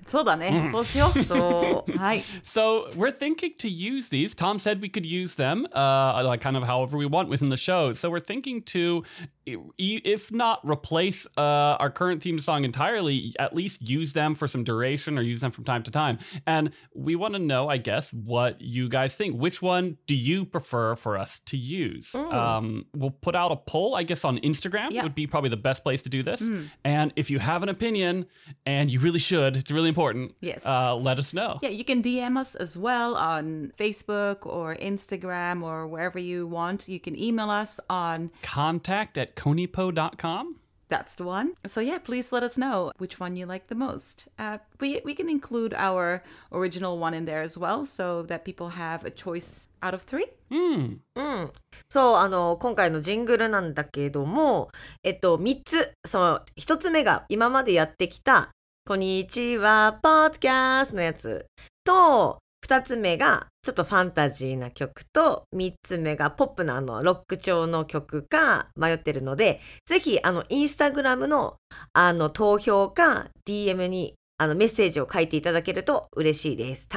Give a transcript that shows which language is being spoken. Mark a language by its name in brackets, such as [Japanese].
[Japanese] そうだね。そうしよう。そう。はい。 [English] So, we're thinking to use these. Tom said we could use them, like kind of however we want within the show. So, we're thinking to, if not replace our current theme song entirely, at least use them for some duration or use them from time to time. And we want to know, I guess, what you guys think. Which one do you prefer for us to use? We'll put out a poll, I guess, on Instagram. Yeah. It would be probably the best place to do this. And if you have an opinion, and you really should, it's really important, yes. Let us know. Yeah, you can DM us as well on Facebook or Instagram or wherever you want. You can email us on contact@konipo.com. That's the one. So yeah, please let us know which one you like the most. We can include our original one in there as well so that people have a choice out of three. [Japanese] そう、今回のジングルなんだけども、3つ、その1つ目が今までやってきた、こんにちは、ポッドキャストのやつと、2つ目がちょっとファンタジーな曲と、3つ目がポップなロック調の曲か迷ってるので、ぜひインスタグラム の投票か DM にメッセージを書いていただけると嬉しいです。